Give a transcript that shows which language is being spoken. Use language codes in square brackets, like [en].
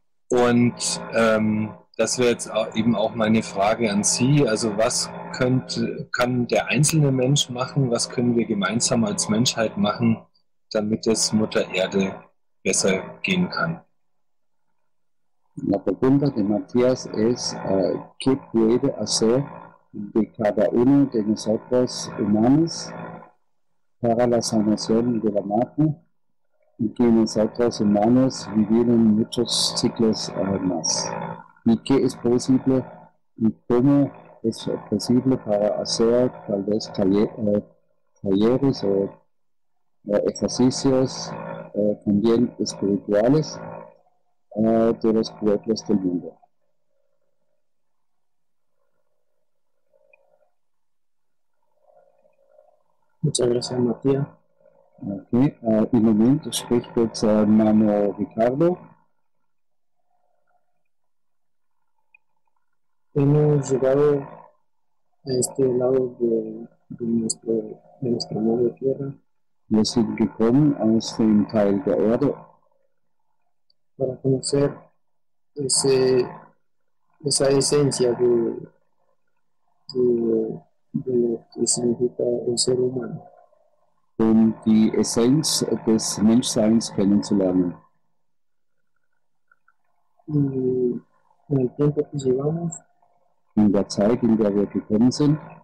[de] Und das wäre jetzt eben auch meine Frage an Sie. Also was kann der einzelne Mensch machen? Was können wir gemeinsam als Menschheit machen, damit es Mutter Erde besser gehen kann? [es] La pregunta de Matías es qué puede hacer de cada uno de nosotros humanos para la sanación de la madre y que nosotros humanos vivieron muchos ciclos más. ¿Y qué es posible y cómo es posible para hacer tal vez talleres o ejercicios también espirituales de los pueblos del mundo? Muchas gracias, Matías. Ok, un momento, [de] sprich jetzt [es] Mano Ricardo. Hemos llegado a este lado de nuestro modo de tierra. [de] Wir sind gekommen aus dem Teil der Erde. [es] Para conocer esa esencia de lo que significa el ser humano. [de] Um die Essenz des Menschseins kennenzulernen. In der Zeit, in der wir gekommen sind.